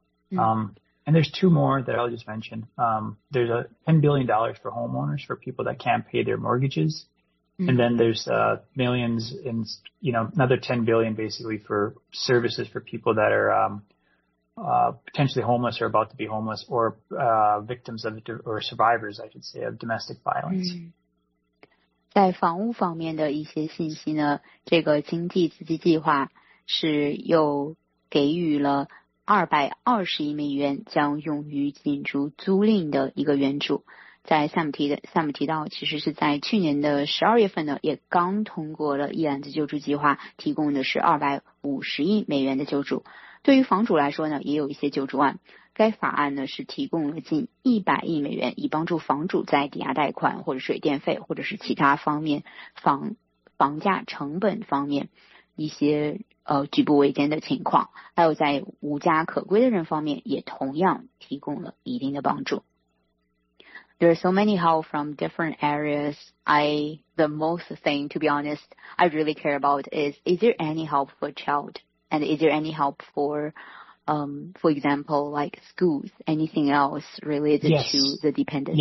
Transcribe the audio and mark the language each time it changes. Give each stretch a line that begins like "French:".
English: And there's two more that I'll just mention. There's a $10 billion for homeowners, for people that can't pay their mortgages. And then there's millions in, you know, another $10 billion basically for services for people that are potentially homeless or about to be homeless or victims of or survivors, I should say, of domestic violence.
Chinese: 在房屋方面的一些信息呢，这个经济刺激计划是又给予了$2.2 billion将用于进驻租赁的一个援助。在 Sam 提到，其实是在去年的12月份呢，也刚通过了一揽子救助计划，提供的是$2.5 billion的救助。对于房主来说呢，也有一些救助案。该法案呢是提供了近$100 billion，以帮助房主在抵押贷款或者水电费或者是其他方面房价成本方面一些举步维艰的情况，还有在无家可归的人方面也同样提供了一定的帮助。
English: There are so many help from different areas. The most thing, to be honest, I really care about is there any help for child? And is there any help for example, like schools, anything else related yes. to the dependents?